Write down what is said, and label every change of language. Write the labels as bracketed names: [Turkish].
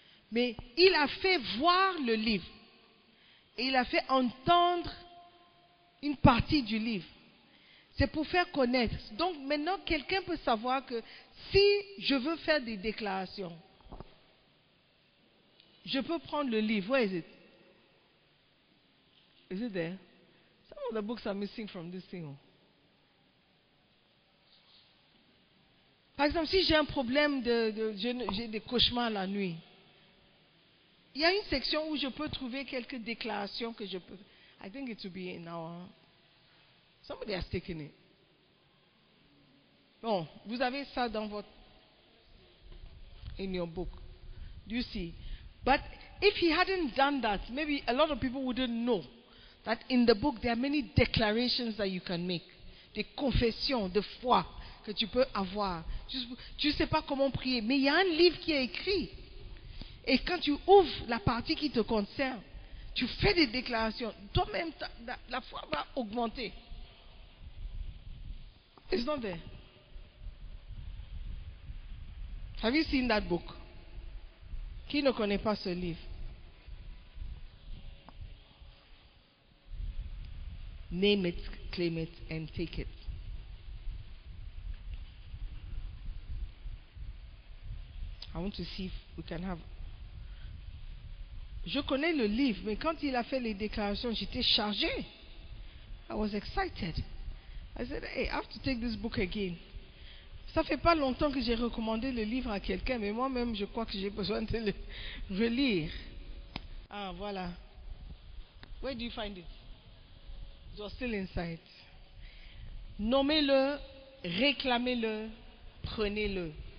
[French] Mais il a fait voir le livre. Et il a fait entendre une partie du livre. C'est pour faire connaître. Donc maintenant, quelqu'un peut savoir que si je veux faire des déclarations, je peux prendre le livre. [English] Where is it? Is it there? Some of the books are missing from this thing. [French] Par exemple, si j'ai un problème, j'ai des cauchemars la nuit, il y a une section où je peux trouver quelques déclarations que je peux... [English] I think it will be in our... Somebody has taken it. [French] Bon, vous avez ça dans votre... [English] In your book. Do you see? But if he hadn't done that, maybe a lot of people wouldn't know that in the book there are many declarations that you can make. [French] Des confessions de foi que tu peux avoir. Tu ne sais pas comment prier, mais il y a un livre qui est écrit. Et quand tu ouvres la partie qui te concerne, tu fais des déclarations. Toi-même, la foi va augmenter. [English] It's not there. Have you seen that book? [French] Qui ne connaît pas ce livre? [English] Name it, claim it, and take it. I want to see if we can have. [French] Je connais le livre, mais quand il a fait les déclarations, j'étais chargée. [English] I was excited. I said, hey, I have to take this book again. [French] Ça fait pas longtemps que j'ai recommandé le livre à quelqu'un, mais moi-même, je crois que j'ai besoin de le relire. [English] Ah, voilà. Where do you find it? You're still inside. [French] Nommez-le, réclamez-le, prenez-le.